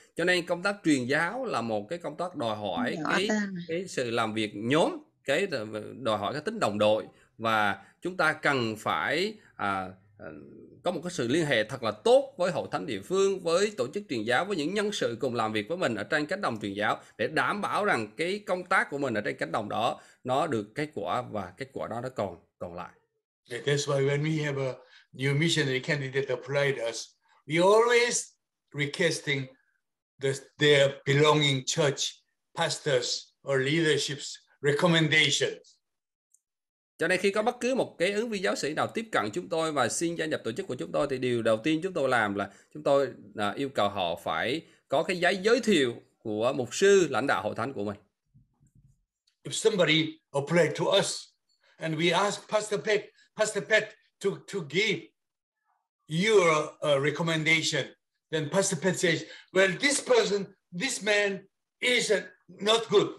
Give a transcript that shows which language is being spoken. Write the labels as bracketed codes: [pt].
[vi] Cho nên công tác truyền giáo là một cái công tác đòi hỏi cái sự làm việc nhóm, cái đòi hỏi cái tính đồng đội, và chúng ta cần phải có một cái sự liên hệ thật là tốt với hội thánh địa phương, với tổ chức truyền giáo, với những nhân sự cùng làm việc với mình ở trên cánh đồng truyền giáo, để đảm bảo rằng cái công tác của mình ở trên cánh đồng đó nó được kết quả, và kết quả đó nó còn lại. [en] That's why when we have a new missionary candidate applied us, we always requesting their belonging church pastors or leadership's recommendations. [vi] Cho nên khi có bất cứ một cái ứng viên giáo sĩ nào tiếp cận chúng tôi và xin gia nhập tổ chức của chúng tôi thì điều đầu tiên chúng tôi làm là chúng tôi yêu cầu họ phải có cái giấy giới thiệu của mục sư lãnh đạo hội thánh của mình. [en] If somebody applied to us and we ask Pastor Pat to give your recommendation, then Pastor Pat says, well, this man is not good.